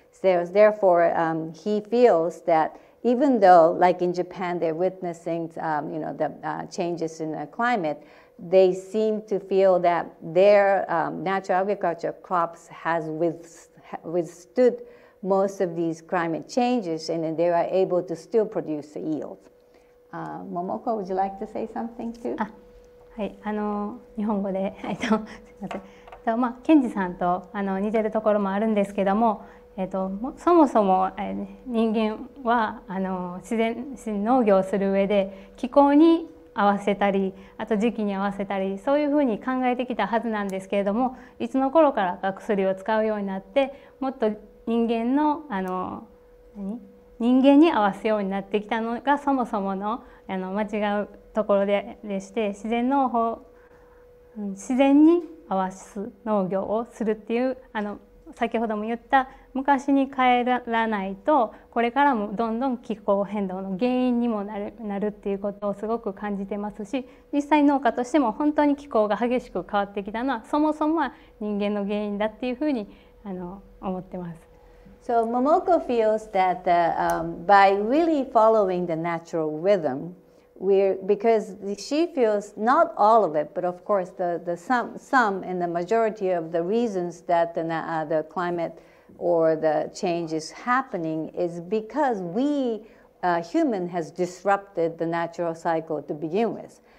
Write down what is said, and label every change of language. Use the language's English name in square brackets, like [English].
[English] So therefore, he feels that even though, like in Japan, they're witnessing changes in the climate, they seem to feel that their natural agriculture crops has withstood most of these climate changes, and then they are able to still produce the yield. Momoko, would you like to say something too? [Japanese] Ah,はい、あの日本語で、えっと、すみません。まあ、ケンジさんと似てるところもあるんですけども、 そもそも人間は自然農業をする上で気候に合わせたり、あと時期に合わせたり、そういうふうに考えてきたはずなんですけれども、いつの頃から薬を使うようになって、もっと人間の間違うところでして、自然の方、自然に合わす農業をするっていう、 先ほども言った昔に帰らないと、これからもどんどん気候変動の原因にもなるっていうことをすごく感じてますし、実際農家としても本当に気候が激しく変わってきたのは、そもそも人間の原因だっていうふうに思ってます。 [English] So Momoko feels that by really following the natural rhythm, because she feels not all of it, but of course the sum and the majority of the reasons that the climate or the change is happening is because we human has disrupted the natural cycle to begin with.